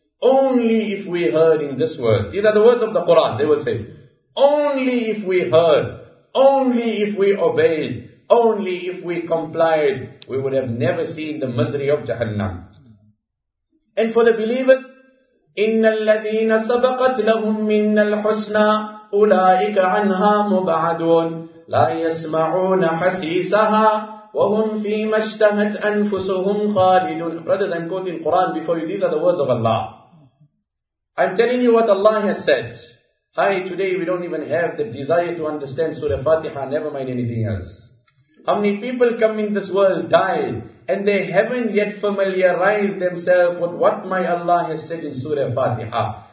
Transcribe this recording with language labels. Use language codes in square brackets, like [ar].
[en] Only if we heard in this world. These are the words of the Quran. They will say, only if we heard, only if we obeyed, only if we complied, we would have never seen the misery of Jahannam. And for the believers, [ar] إِنَّ الَّذِينَ سَبَقَتْ لَهُمْ مِنَّ الْحُسْنَى أُولَٰئِكَ عَنْهَا مُبَعَدُونَ لَا يَسْمَعُونَ حَسِيسَهَا وَهُمْ فِي مَشْتَمَتْ أَنفُسُهُمْ خَالِدٌ. [en] Brothers, I'm quoting Quran before you. These are the words of Allah. I'm telling you what Allah has said. Hi, today we don't even have the desire to understand Surah Fatiha, never mind anything else. How many people come in this world, die, and they haven't yet familiarized themselves with what my Allah has said in Surah Fatiha.